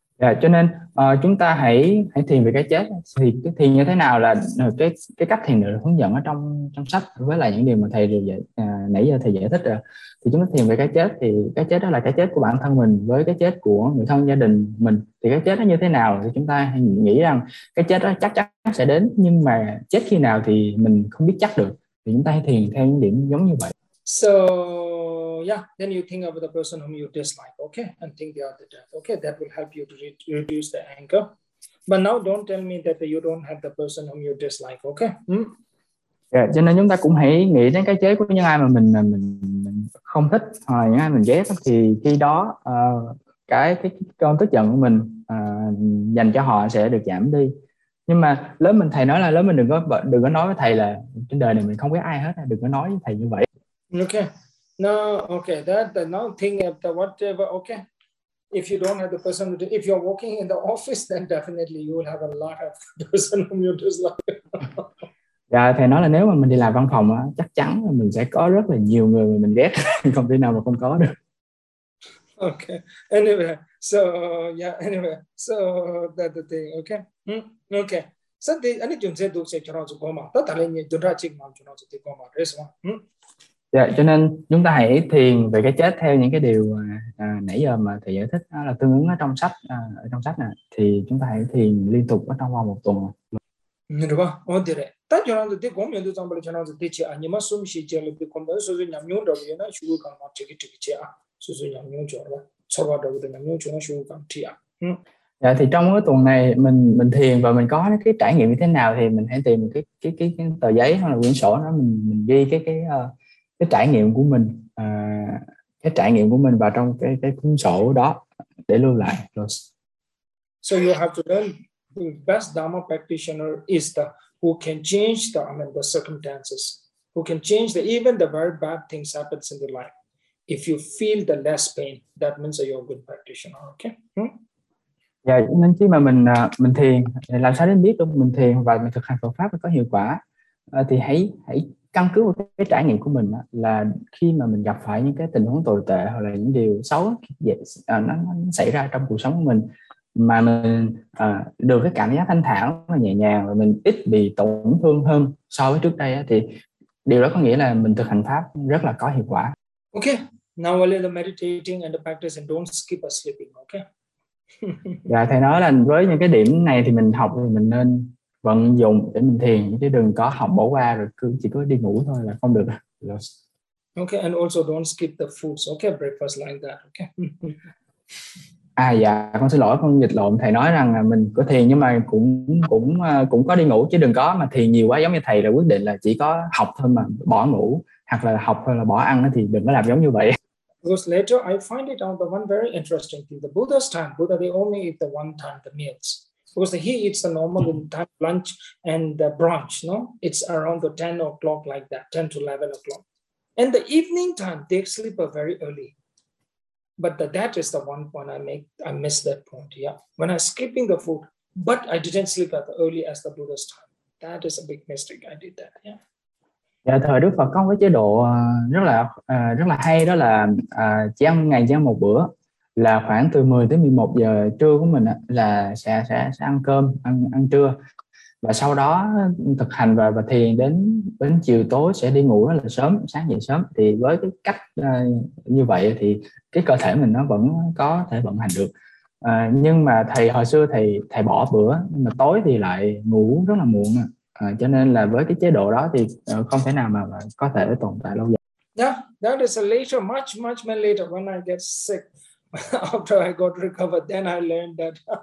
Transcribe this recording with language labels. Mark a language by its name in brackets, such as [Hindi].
[Vietnamese] dạ cho nên chúng ta hãy thiền về cái chết, thì cái thiền như thế nào là cái cách thiền được hướng dẫn ở trong trong sách với lại những điều mà thầy vừa nãy giờ thầy giải thích rồi. Thì chúng ta thiền về cái chết, thì cái chết đó là cái chết của bản thân mình với cái chết của người thân gia đình mình, thì cái chết nó như thế nào thì chúng ta nghĩ rằng cái chết đó chắc chắn sẽ đến, nhưng mà chết khi nào thì mình không biết chắc được, thì chúng ta hãy thiền theo những điểm giống như vậy. [English] So yeah, then you think about the person whom you dislike, okay, and think they are the death, okay, that will help you to reduce the anger. But now don't tell me that you don't have the person whom you dislike, okay? [Vietnamese] Yeah, cho nên chúng ta cũng hãy nghĩ đến cái chết của những ai mà mình không thích, hoặc là những ai mình ghét, thì khi đó cái cơn tức giận của mình dành cho họ sẽ được giảm đi. Nhưng mà lớn mình, thầy nói là lớn mình đừng có nói với thầy là trên đời này mình không biết ai hết, đừng có nói với thầy như vậy. [English] Okay. No, okay, that now think after whatever, okay. If you don't have the person, if you're working in the office, then definitely you will have a lot of person whom you dislike. [Vietnamese] Dạ, thầy nói là nếu mà mình đi làm văn phòng á, chắc chắn là mình sẽ có rất là nhiều người mà mình ghét, không thể nào mà không có được. [English] Okay, anyway, so, yeah, anyway, so that the thing, okay? Okay, so the, any chung say duk say chanon su goma, ta talen nye dudra chik maam chanon su di goma, is one, [Vietnamese] dạ, cho nên chúng ta hãy thiền về cái chết theo những cái điều nãy giờ mà thầy giải thích, đó là tương ứng ở trong sách, ở trong sách nè, thì chúng ta hãy thiền liên tục ở trong vòng một tuần. Được không? Ok đấy. Tất cho nên thì cũng như trong bài cho nên thì chỉ anh em sum sĩ chơi được không đó, suy nhầm nhau đâu vậy na, chú cứ cầm chiếc chiếc chơi à, suy nhầm nhau chỗ đó, cho vào đâu thì nhầm nhau chỗ nó chú cầm chơi à. Dạ, thì trong cái tuần này mình thiền và mình có cái trải nghiệm như thế nào thì mình hãy tìm cái tờ giấy hoặc là quyển sổ đó mình ghi cái trải nghiệm của mình, cái trải nghiệm của mình vào trong cái cuốn sổ đó để lưu lại. [English] So you have to learn the best Dharma practitioner is the who can change the circumstances, who can change the even the very bad things happens in the life. If you feel the less pain, that means that you're a good practitioner. Okay. [Vietnamese] Dạ, nên khi mà mình thiền, làm sao để biết được mình thiền và mình thực hành Phật pháp có hiệu quả, thì hãy căn cứ vào cái trải nghiệm của mình đó, là khi mà mình gặp phải những cái tình huống tồi tệ hoặc là những điều xấu nó xảy ra trong cuộc sống của mình, mà mình được cái cảm giác thanh thản và nhẹ nhàng, và mình ít bị tổn thương hơn so với trước đây đó, thì điều đó có nghĩa là mình thực hành pháp rất là có hiệu quả. [English] Okay, now only the meditating and the practice and don't skip a sleeping. Okay. [Vietnamese] Dạ, thầy nói là với những cái điểm này thì mình học thì mình nên vận dụng để mình thiền, chứ đừng có học bỏ qua rồi cứ chỉ có đi ngủ thôi là không được. [English] Yes. Okay, and also don't skip the foods, okay, breakfast like that, okay. [Vietnamese] À dạ, con xin lỗi, con dịch lộn, thầy nói rằng là mình có thiền nhưng mà cũng có đi ngủ, chứ đừng có mà thiền nhiều quá giống như thầy là quyết định là chỉ có học thôi mà bỏ ngủ, hoặc là học thôi là bỏ ăn, thì đừng có làm giống như vậy. [English] Because later I find it out the one very interesting thing, the Buddha's time, Buddha they only eat the one time the meals. Because he eats the normal lunch and the brunch, no? It's around the 10 o'clock like that, 10 to 11 o'clock. And the evening time, they sleep very early. But that is the one point I miss that point, yeah. When I'm skipping the food, but I didn't sleep as early as the Buddha's time. That is a big mistake, I did that, yeah. [Vietnamese] Dạ, thời Đức Phật có cái chế độ rất là hay, đó là chỉ ăn ngày chỉ ăn một bữa. Là khoảng từ 10 tới 11 giờ trưa của mình là sẽ ăn cơm, ăn trưa. Và sau đó thực hành và thiền đến chiều tối sẽ đi ngủ rất là sớm, sáng dậy sớm. Thì với cái cách như vậy thì cái cơ thể mình nó vẫn có thể vận hành được. Nhưng mà thầy hồi xưa thầy bỏ bữa, nhưng mà tối thì lại ngủ rất là muộn. Cho nên là với cái chế độ đó thì không thể nào mà có thể tồn tại lâu dài. [English] Yeah, that is a later, much, much later when I get sick. After I got recovered, then I learned that.